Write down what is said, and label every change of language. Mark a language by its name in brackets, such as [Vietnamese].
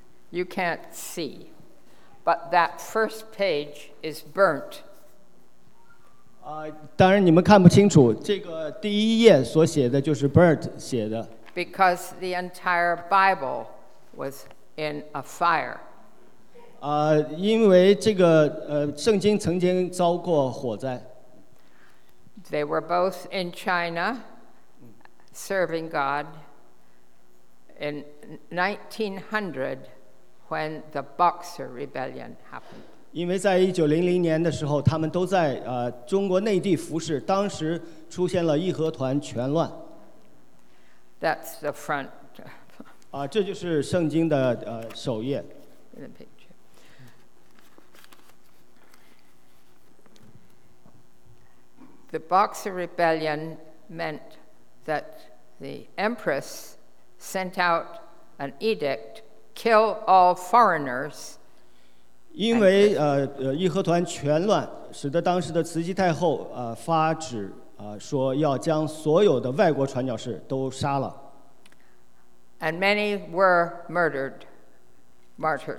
[English] You can't see, but that first page is burnt. [Chinese] 当然你们看不清楚，这个第一页所写的就是 burnt 写的。 [English] Because the entire Bible was in a fire. [Chinese] 因为这个圣经曾经遭过火灾。 [English] They were both in China, serving God. In 1900. When the Boxer Rebellion happened. [Chinese] 因为在1900年的时候，他们都在中国内地服侍。当时出现了义和团全乱。 [English] That's the front. [Chinese] 这就是圣经的首页。 [English] In the picture. The Boxer Rebellion meant that the Empress sent out an edict. Kill all foreigners. [Chinese] 因为义和团全乱，使得当时的慈禧太后发旨说要将所有的外国传教士都杀了。 [English] And many were murdered. martyred.